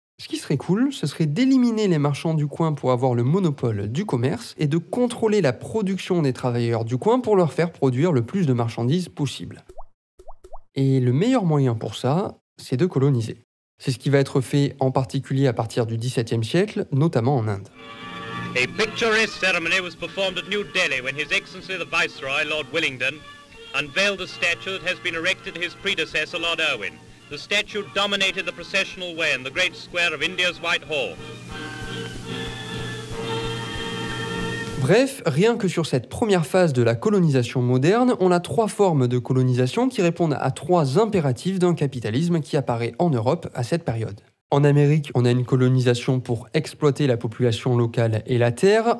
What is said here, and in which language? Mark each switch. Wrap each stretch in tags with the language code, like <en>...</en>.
<fr>Ce qui serait cool, ce serait d'éliminer les marchands du coin pour avoir le monopole du commerce et de contrôler la production des travailleurs du coin pour leur faire produire le plus de marchandises possible. Et le meilleur moyen pour ça, c'est de coloniser. C'est ce qui va être fait en particulier à partir du XVIIe siècle, notamment en Inde.</fr> <en>A picturesque ceremony was performed at New Delhi when His Excellency the Viceroy, Lord Willingdon, unveiled a statue that has been erected to his predecessor, Lord Irwin. The statue dominated the processional way in the great square of India's White Hall.</en> <fr>Bref, rien que sur cette première phase de la colonisation moderne, on a trois formes de colonisation qui répondent à trois impératifs d'un capitalisme qui apparaît en Europe à cette période. En Amérique, on a une colonisation pour exploiter la population locale et la terre.</fr>